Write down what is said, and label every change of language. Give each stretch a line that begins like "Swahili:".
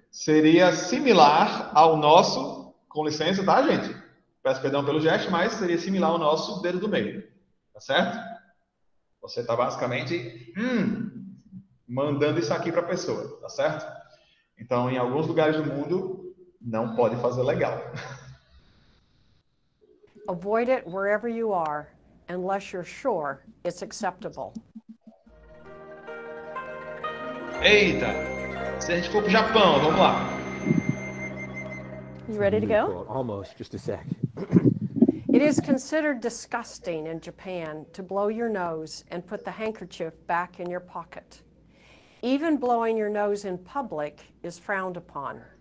Portuguese: Seria similar ao nosso, com licença, tá, gente? Peço perdão pelo gesto, mas seria similar ao nosso dedo do meio. Tá certo? Você tá basicamente mandando isso aqui pra pessoa, tá certo? Então, em alguns lugares do mundo, não pode fazer legal.
English: Avoid it wherever you are, unless you're sure it's acceptable.
Portuguese: Eita! Se a gente for pro Japão, vamos lá.
English: You ready to go? Almost, just a sec. It is considered disgusting in Japan to blow your nose and put the handkerchief back in your pocket. Even blowing your nose in public is frowned upon.